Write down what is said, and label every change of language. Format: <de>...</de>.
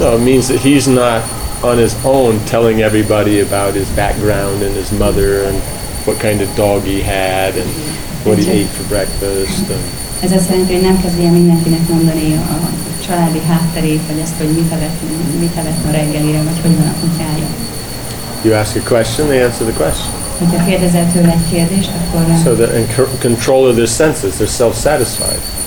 <en>No, it means that he's not on his own telling everybody about his background and his mother and what kind of dog he had and what he ate for breakfast.</en> <hu>Ez azt jelenti, hogy nem kezdi el mindenkinek mondani a családi hátterét, vagy ezt, hogy mit evett ma reggelire, vagy hogy van a kutyája.</hu> <en>You ask a question, they answer the question.</en> <hu>Hogyha kérdezel tőle egy kérdést, akkor.</hu> <en>So the control of their senses, they're self-satisfied.</en>